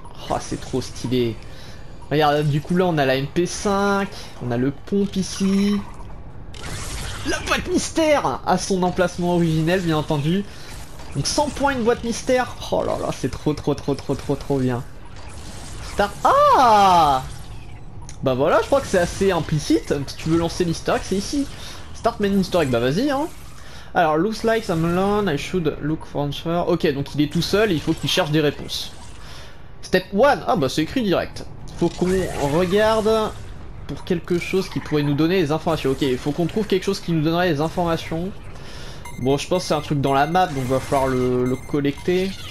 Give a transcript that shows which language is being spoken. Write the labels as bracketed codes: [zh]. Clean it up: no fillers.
[fr] Oh c'est trop stylé. Regarde, du coup là on a la MP5, on a le pompe ici, la boîte mystère à son emplacement originel bien entendu. Donc 100 points une boîte mystère, oh là là c'est trop bien. Star... Ah! Bah voilà, je crois que c'est assez implicite, si tu veux lancer l'easter egg c'est ici. [en] Start main easter egg, [fr] bah vas-y hein. Alors, [en] looks like I'm alone, I should look for answer. [fr] Ok, donc il est tout seul, et il faut qu'il cherche des réponses. Step 1, ah bah c'est écrit direct. Faut qu'on regarde pour quelque chose qui pourrait nous donner les informations. Ok, il faut qu'on trouve quelque chose qui nous donnerait les informations. Bon, je pense que c'est un truc dans la map, donc va falloir le collecter.